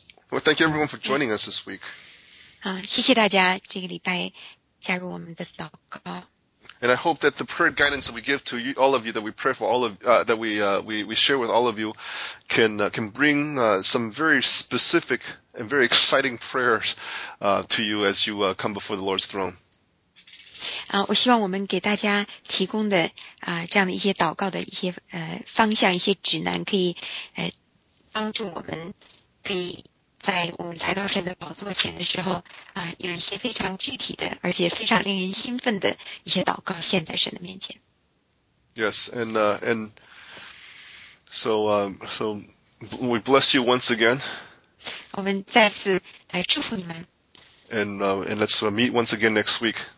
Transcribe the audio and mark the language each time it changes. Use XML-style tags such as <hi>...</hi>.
<en>Well, thank you everyone for joining us this week.</en> <zh>谢谢大家这个礼拜加入我们的祷告。</zh> <en>And I hope that the prayer guidance that we give to you, all of you, that we pray for all of, that we share with all of you can bring, some very specific and very exciting prayers, to you as you, come before the Lord's throne.</en> <zh>我希望我们给大家提供的、这样的一些祷告的一些、方向一些指南可以、帮助我们可以在我们来到神的宝座前的时候、有一些非常具体的而且非常令人兴奋的一些祷告献在神的面前。</zh> <en>Yes, and so,、so we bless you once again.</en> <zh>我们再次来祝福你们。</zh> <en>And let's meet once again next week.</en>